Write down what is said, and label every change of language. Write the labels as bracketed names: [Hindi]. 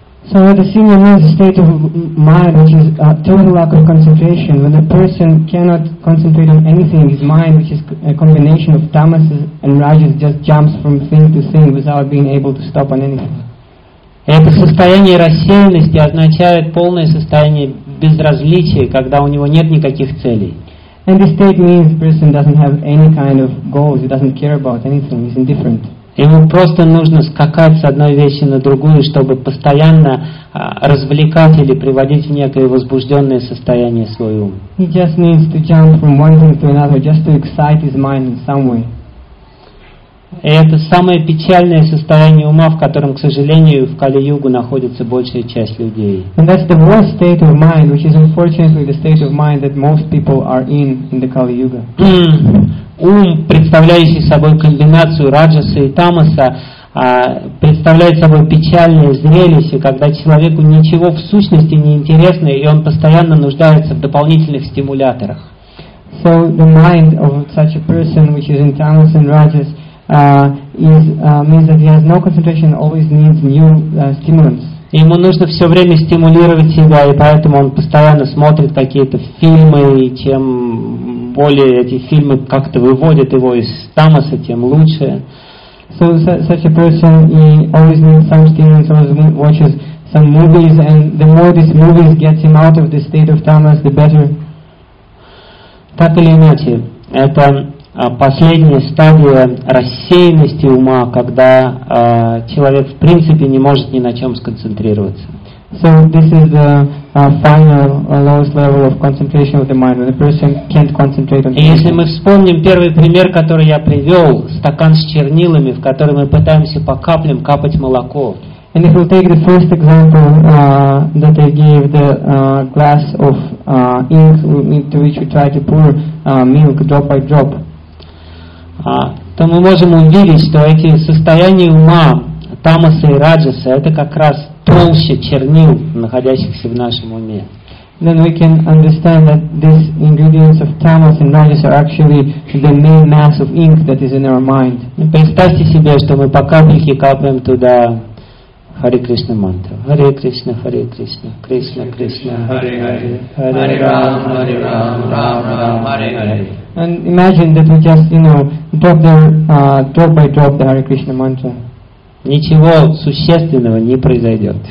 [English] So what a similar means a state of mind which is a total lack of concentration, when a person cannot concentrate on anything, his mind, which is a combination of tamas and rajas, just jumps from thing to thing without being able to stop on anything. [Russian] Это состояние рассеянности означает полное состояние безразличия, когда у него нет никаких целей. [English] And this state means the person doesn't have any kind of goals, he doesn't care about anything, he's indifferent. [Russian] Ему просто нужно скакать с одной вещи на другую, чтобы постоянно развлекать или приводить в некое возбужденное состояние свой ум. [English] He just needs to jump from one thing to another, just to excite his mind in some way. [Russian] И это самое печальное состояние ума, в котором, к сожалению, в Кали-югу находится большая часть людей. [English] And that's the worst state of mind, which is unfortunately the state of mind that most people are in the Kali-yuga. [Russian] Ум, представляющий собой комбинацию раджаса и тамаса, представляет собой печальное зрелище, когда человеку ничего в сущности не интересно, и он постоянно нуждается в дополнительных стимуляторах. [English] So the mind of such a person, which is in tamas and rajas, means that he has no concentration, always needs new stimulants. [Russian] Ему нужно все время стимулировать себя, и поэтому он постоянно смотрит какие-то фильмы, и чем более эти фильмы как-то выводят его из тамаса, тем лучше. [English] So such a person, he always needs some stimulants, always watches some movies, and the more these movies get him out of the state of tamas, the better. [Russian] Так или иначе, это последняя стадия рассеянности ума, когда человек в принципе не может ни на чем сконцентрироваться. [English] So this is the final lowest level of concentration of the mind, when a person can't concentrate on anything. [Russian] И если мы вспомним первый пример, который я привел, стакан с чернилами, в который мы пытаемся по каплям капать молоко. [English] And if we'll take the first example that I gave, the glass of ink into which we try to pour milk drop by drop. [Russian] То мы можем увидеть, что эти состояния ума, тамаса и раджаса, это как раз толще чернил, находящихся в нашем уме. [English] Then we can understand that these ingredients of tamas and rajas are actually the main mass of ink that is in our mind. [Russian] Представьте себе, что мы по капельке капаем туда Hare Krishna мантру. [Sanskrit] Hare Krishna, Hare Krishna, Krishna Krishna, Hare Hare, Hare Rama, Hare Rama, Rama Rama, Hare Hare. [English] And imagine that we just, you know, drop the drop by drop the Hare Krishna mantra. [Russian] Ничего существенного не произойдет.